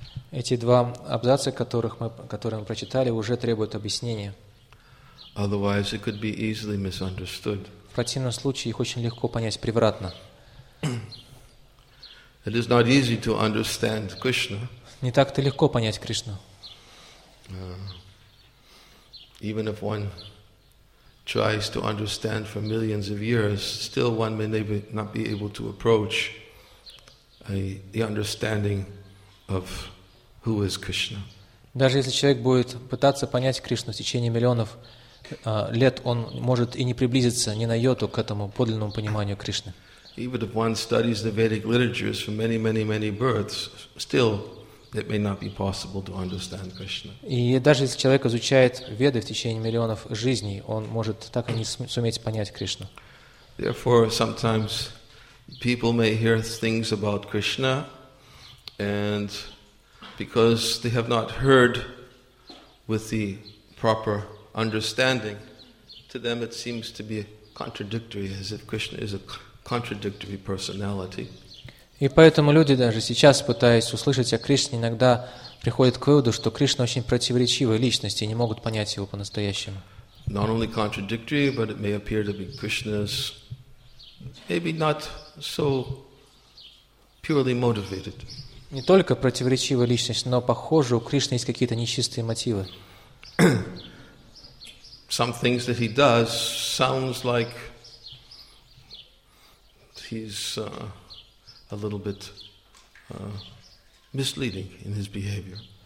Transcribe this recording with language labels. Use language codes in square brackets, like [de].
[ru] Эти два абзаца, которые мы прочитали, уже требуют объяснения. [en] Otherwise, it could be easily misunderstood. [ru] В противном случае их очень легко понять превратно. [en] It is not easy to understand Krishna. [ru] Не так-то легко понять Кришну. [en] Even if one tries to understand for millions of years, still one may not be able to approach the understanding of who is Krishna. [ru] Даже если человек будет пытаться понять Кришну в течение миллионов лет, он может и не приблизиться ни на йоту к этому подлинному пониманию Кришны. [en] Even if one studies the Vedic literatures for many, many, many births, still it may not be possible to understand Krishna. [ru] И даже если человек изучает Веды в течение миллионов жизней, он может так и не суметь понять Кришну. [en] Therefore, sometimes people may hear things about Krishna, and because they have not heard with the proper understanding, to them it seems to be contradictory, as if Krishna is a contradictory personality. [ru] И поэтому люди, даже сейчас, пытаясь услышать о Кришне, иногда приходят к выводу, что Кришна очень противоречивая личность и не могут понять его по-настоящему. [en] Not only contradictory, but it may appear to be Krishna's maybe not so purely motivated. [ru] Не только противоречивая личность, но, похоже, у Кришны есть какие-то нечистые мотивы. [en] Some things that he does sounds like he's a little bit misleading in his behavior.